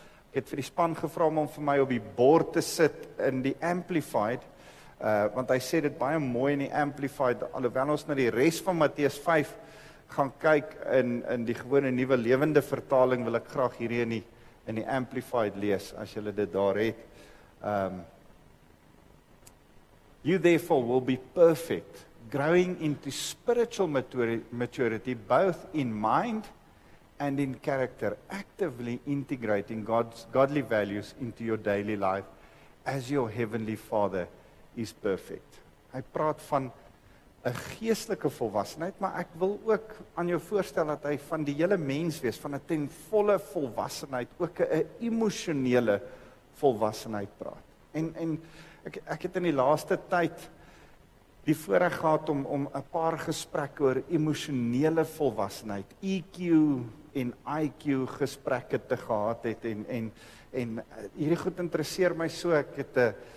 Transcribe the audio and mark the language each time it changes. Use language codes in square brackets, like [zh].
[af] Ek het vir die span gevra om vir my op die bord te sit in die Amplified, want hy sê dit baie mooi in die Amplified, alhoewel ons na die res van Matteus 5 gaan kyk in die gewone nuwe lewende vertaling, wil ek graag hierdie in die Amplified lees, as julle dit daar het. [en] You therefore will be perfect, growing into spiritual maturity, both in mind and in character, actively integrating God's godly values into your daily life, as your heavenly Father is perfect. [af] Hy praat van 'n geestelike volwassenheid, maar ek wil ook aan jou voorstel dat hy van die hele mens wees, van 'n ten volle volwassenheid, ook 'n emosionele volwassenheid praat. Ek het in die laaste tyd die voorreg gehad om 'n paar gesprekke oor emosionele volwassenheid, EQ en IQ gesprekke te gehad het en hierdie goed interesseer my so. Ek het